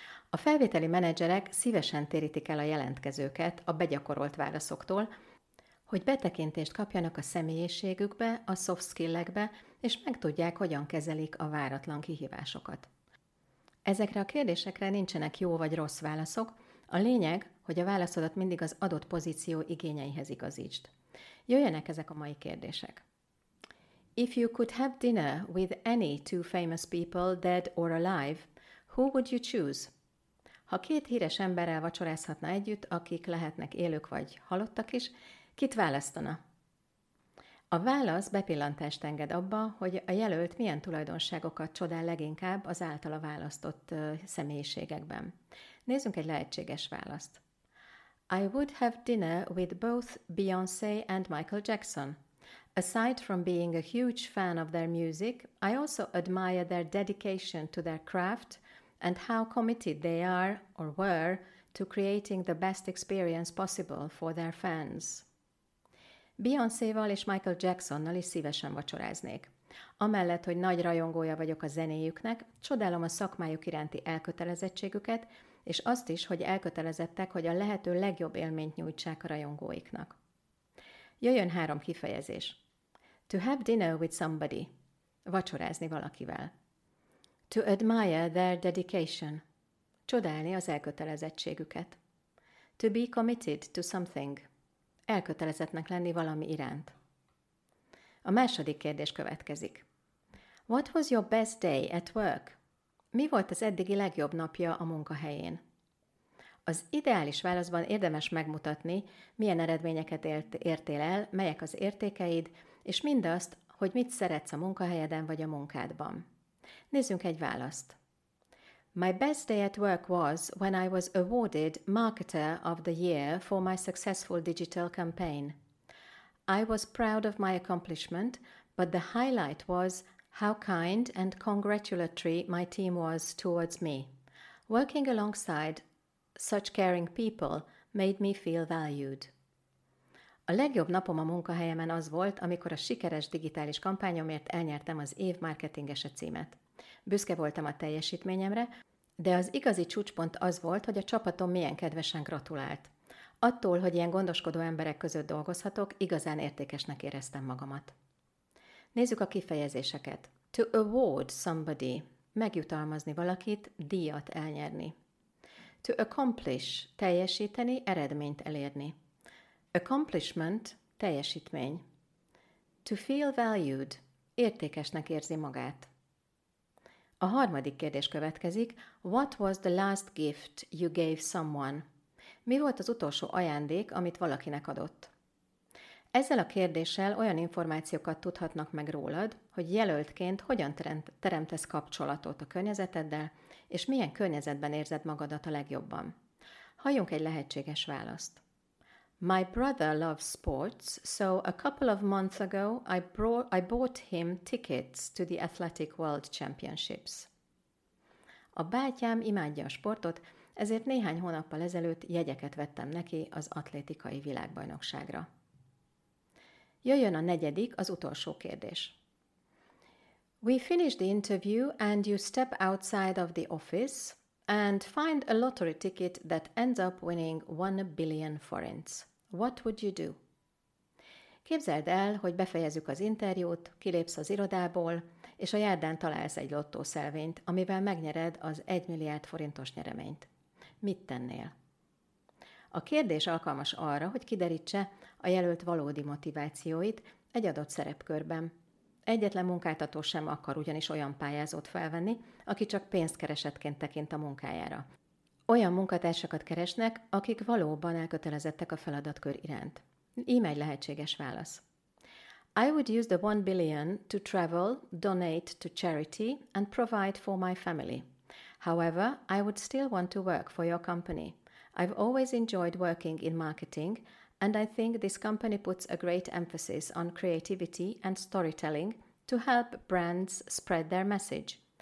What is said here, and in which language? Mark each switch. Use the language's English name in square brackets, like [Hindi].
[Hungarian] A felvételi menedzserek szívesen térítik el a jelentkezőket a begyakorolt válaszoktól, hogy betekintést kapjanak a személyiségükbe, a soft skill-ekbe, és megtudják, hogyan kezelik a váratlan kihívásokat. Ezekre a kérdésekre nincsenek jó vagy rossz válaszok, a lényeg, hogy a válaszodat mindig az adott pozíció igényeihez igazítsd. Jöjjenek ezek a mai kérdések. [English] If you could have dinner with any two famous people, dead or alive, who would you choose? [Hungarian] Ha két híres emberrel vacsorázhatna együtt, akik lehetnek élők vagy halottak is, kit választana? A válasz bepillantást enged abba, hogy a jelölt milyen tulajdonságokat csodál leginkább az általa választott személyiségekben. Nézzünk egy lehetséges választ. [English] I would have dinner with both Beyoncé and Michael Jackson. Aside from being a huge fan of their music, I also admire their dedication to their craft and how committed they are, or were, to creating the best experience possible for their fans. [Hungarian] Beyoncé-val és Michael Jacksonnal is szívesen vacsoráznék. Amellett, hogy nagy rajongója vagyok a zenéjüknek, csodálom a szakmájuk iránti elkötelezettségüket, és azt is, hogy elkötelezettek, hogy a lehető legjobb élményt nyújtsák a rajongóiknak. Jöjjön három kifejezés. [English] To have dinner with somebody. [Hungarian] Vacsorázni valakivel. [English] To admire their dedication. [Hungarian] Csodálni az elkötelezettségüket. [English] To be committed to something. Elkötelezettnek lenni valami iránt. [Hungarian] A második kérdés következik. [English] What was your best day at work? [Hungarian] Mi volt az eddigi legjobb napja a munkahelyén? Az ideális válaszban érdemes megmutatni, milyen eredményeket értél el, melyek az értékeid, és mindazt, hogy mit szeretsz a munkahelyeden vagy a munkádban. Nézzünk egy választ. [English] My best day at work was when I was awarded Marketer of the Year for my successful digital campaign. I was proud of my accomplishment, but the highlight was how kind and congratulatory my team was towards me. Working alongside such caring people made me feel valued. [Hungarian] A legjobb napom a munkahelyemen az volt, amikor a sikeres digitális kampányomért elnyertem az év marketingese címet. Büszke voltam a teljesítményemre, de az igazi csúcspont az volt, hogy a csapatom milyen kedvesen gratulált. Attól, hogy ilyen gondoskodó emberek között dolgozhatok, igazán értékesnek éreztem magamat. Nézzük a kifejezéseket. [English] To award somebody. [Hungarian] Megjutalmazni valakit, díjat elnyerni. [English] To accomplish. [Hungarian] Teljesíteni, eredményt elérni. [English] Accomplishment. [Hungarian] Teljesítmény. [English] To feel valued. [Hungarian] Értékesnek érzi magát. A harmadik kérdés következik. [English] What was the last gift you gave someone? [Hungarian] Mi volt az utolsó ajándék, amit valakinek adott? Ezzel a kérdéssel olyan információkat tudhatnak meg rólad, hogy jelöltként hogyan teremtesz kapcsolatot a környezeteddel, és milyen környezetben érzed magadat a legjobban. Halljunk egy lehetséges választ. [English] My brother loves sports, so a couple of months ago I bought him tickets to the Athletic World Championships. [Hungarian] A bátyám imádja a sportot, ezért néhány hónappal ezelőtt jegyeket vettem neki az atlétikai világbajnokságra. Jöjjön a negyedik, az utolsó kérdés. [English] We finish the interview and you step outside of the office and find a lottery ticket that ends up winning 1 billion forints. What would you do? [Hungarian] Képzeld el, hogy befejezzük az interjút, kilépsz az irodából, és a járdán találsz egy lottószelvényt, amivel megnyered az 1 milliárd forintos nyereményt. Mit tennél? A kérdés alkalmas arra, hogy kiderítse a jelölt valódi motivációit egy adott szerepkörben. Egyetlen munkáltató sem akar ugyanis olyan pályázót felvenni, aki csak pénzt keresetként tekint a munkájára. Olyan munkatársakat keresnek, akik valóban elkötelezettek a feladatkör iránt. Íme egy lehetséges válasz. [English] I would use the 1 billion to travel, donate to charity and provide for my family. However, I would still want to work for your company. I've always enjoyed working in marketing, and I think this company puts a great emphasis on creativity and storytelling to help brands spread their message.